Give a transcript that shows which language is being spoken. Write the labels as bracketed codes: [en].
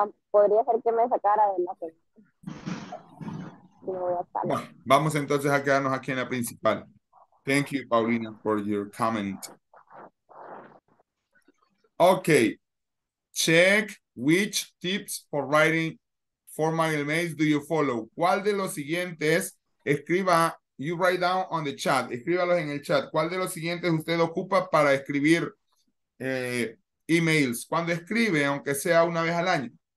[es] Podría ser que me sacara de la sala. Bueno, vamos entonces a quedarnos aquí en la principal. [en] Thank you, Paulina, for your comment. Okay, check which tips for writing formal emails do you follow? [es] ¿Cuál de los siguientes escriba, [en] you write down on the chat, [es] escríbalos en el chat. ¿Cuál de los siguientes usted ocupa para escribir emails? Cuando escribe, aunque sea una vez al año.